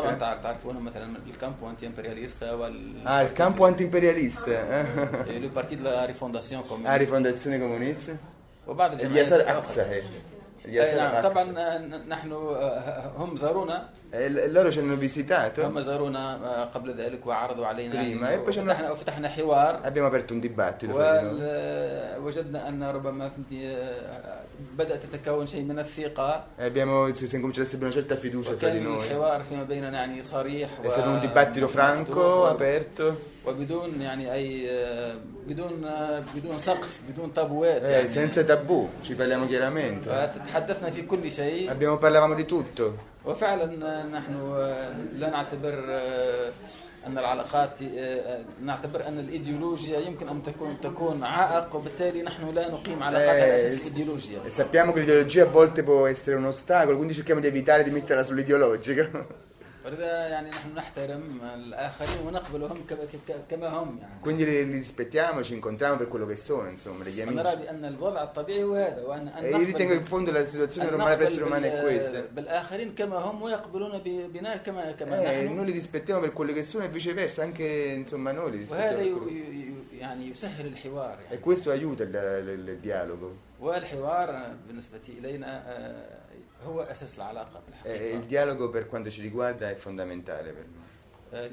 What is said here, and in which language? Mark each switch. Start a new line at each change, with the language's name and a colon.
Arabic: طبعا تعرفون مثلا
Italian: il campo anti-imperialista il campo anti-imperialista. Il partito della rifondazione comunista. Rifondazione comunista.
Arabic: وبعض الجمعيات الأحزاب. نعم طبعا نحن هم زارونا
Italian: loro ci hanno visitato
Arabic: هم زارونا قبل ذلك وعرضوا علينا فتحنا حوار
Italian: abbiamo aperto un dibattito
Arabic: ووجدنا ان ربما بدات تتكون شيء من الثقه
Italian: abbiamo cominciato a essere una certa fiducia fra di noi
Arabic: الحوار فيما بيننا يعني صريح
Italian: è stato un dibattito franco aperto
Arabic: وبدون يعني اي بدون سقف بدون تابوات
Italian: senza tabù ci parliamo chiaramente
Arabic: تحدثنا في كل شيء
Italian: abbiamo parlavamo di tutto
Arabic: وفعلا نحن لا نعتبر ان العلاقات نعتبر ان الايديولوجيا يمكن ان تكون عائق وبالتالي نحن لا نقيم علاقات على اساس الايديولوجيا
Italian: sappiamo che l'ideologia a volte può essere un ostacolo quindi cerchiamo di evitare di metterla sull'ideologica
Arabic: ولذا يعني نحن نحترم الاخرين ونقبلهم كما هم يعني
Italian: quindi li rispettiamo ci incontriamo per quello che sono insomma degli amici
Arabic: نرى بان الوضع الطبيعي هو هذا وان
Italian: انا ritengo in fondo la situazione normale per essere umani è questa
Arabic: بالاخرين كما هم ويقبلون بنا كما نحن
Italian: noi li rispettiamo per quello che sono e viceversa anche insomma noi li rispettiamo
Arabic: وهذا يعني يسهل الحوار
Italian: e questo aiuta il dialogo
Arabic: والحوار بالنسبه الينا هو اساس العلاقه بالحقيقه الديالوجو
Italian: per quanto ci riguarda è fondamentale per noi